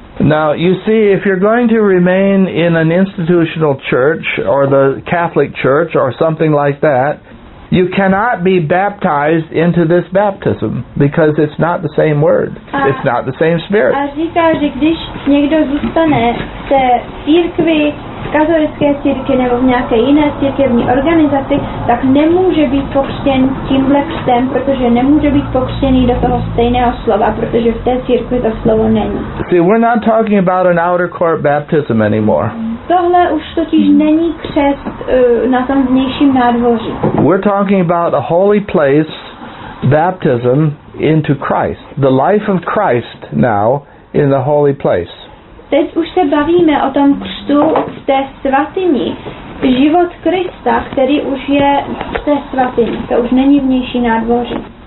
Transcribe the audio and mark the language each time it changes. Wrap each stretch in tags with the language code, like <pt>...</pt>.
<en>Now, you see, if you're going to remain in an institutional church or the Catholic Church or something like that, you cannot be baptized into this baptism because it's not the same word. It's not the same spirit.</en> <cs>A říká, že když někdo zůstane v té církvi, v katolické církvi nebo v nějaké jiné církevní organizaci, tak nemůže být pokřtěn tímhle křtem, protože nemůže být pokřtěný do toho stejného slova, protože v té církvi to slovo není.</cs> <en>See, we're not talking about an outer court baptism anymore.</en> <cs>Tohle už totiž není křest na tom vnějším nádvoří.</cs> <en>We're talking about a holy place baptism into Christ. The life of Christ now in the holy place.</en> <cs>Teď už se bavíme o tom křtu v té svatyni. Život Krista, který už je v té svatyni. To už není vnější nádvoří.</cs>